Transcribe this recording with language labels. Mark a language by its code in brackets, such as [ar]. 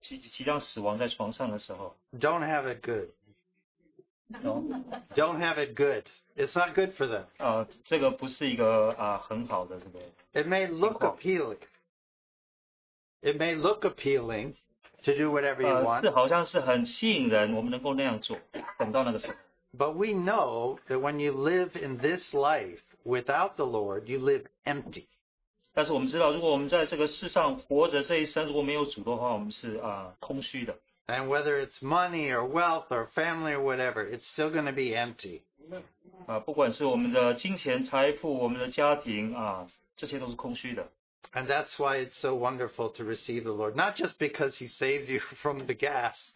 [zh] 那些在世上，在他们这个即将死亡在床上的时候。 [en] Don't have it good. Don't have it good. It's not good for them. [zh] 这个不是一个很好的这个。 [en] It may look appealing. It may look appealing to do whatever you want. [zh] 是好像是很吸引人，我们能够那样做，等到那个时候。 [en] But we know that when you live in this life without the Lord, you live empty. [zh] 但是我们知道，如果我们在这个世上活着这一生，如果没有主的话，我们是空虚的。 [en] And whether it's money or wealth or family or whatever, it's still going to be empty. [zh] 不管是我们的金钱、财富、我们的家庭，这些都是空虚的。 [en] And that's why it's so wonderful to receive the Lord. Not just because he saves you from the gas.